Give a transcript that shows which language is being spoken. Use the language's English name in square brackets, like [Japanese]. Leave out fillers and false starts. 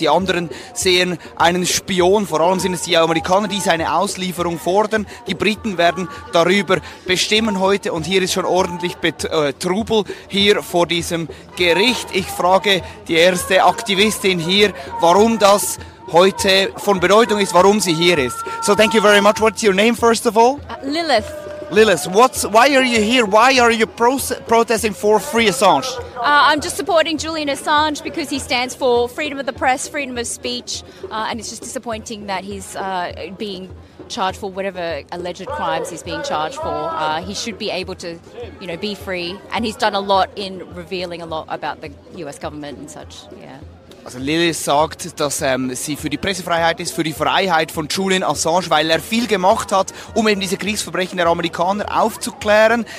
[German] Die anderen sehen einen Spion, vor allem sind es die Amerikaner, die seine Auslieferung fordern. Die Briten werden darüber bestimmen heute und hier ist schon ordentlich Trubel hier vor diesem Gericht. Ich frage die erste Aktivistin hier, warum das heute von Bedeutung ist, warum sie hier ist. [English] So thank you very much. What's your name, first of all? Lilith. Lilith, why are you here? Why are you protesting for free Assange? I'm just supporting Julian Assange because he stands for freedom of the press, freedom of speech, and it's just disappointing that he's being charged for whatever alleged crimes he's being charged for. He should be able to, you know, be free, and he's done a lot in revealing a lot about the US government and such, yeah. [German] Also Lilith sagt, dass sie für die Pressefreiheit ist, für die Freiheit von Julian Assange, weil er viel gemacht hat, um eben diese Kriegsverbrechen der Amerikaner aufzuklären.